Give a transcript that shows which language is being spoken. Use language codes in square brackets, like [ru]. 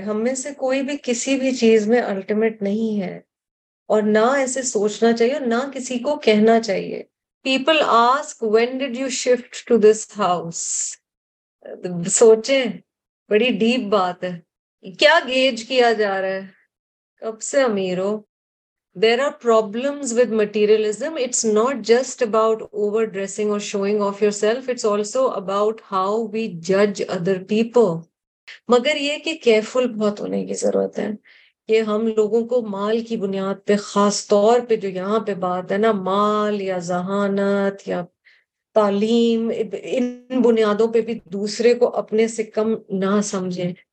[ur] ہم میں سے کوئی بھی کسی بھی چیز میں الٹیمیٹ نہیں ہے, اور نہ ایسے سوچنا چاہیے اور نہ کسی کو کہنا چاہیے. [en] people ask when did you shift to this house, [ur] سوچیں, بڑی ڈیپ بات ہے. کیا گیج کیا جا رہا ہے, کب سے امیر ہو؟ [en] There are problems with materialism. It's not just about overdressing or showing off yourself. It's also about how we judge other people. [ur] مگر یہ کہ careful بہت ہونے کی ضرورت ہے کہ ہم لوگوں کو مال کی بنیاد پہ, خاص طور پہ جو یہاں پہ بات ہے نا, مال یا ذہانت یا تعلیم, ان بنیادوں پہ بھی دوسرے کو اپنے سے کم نہ سمجھیں.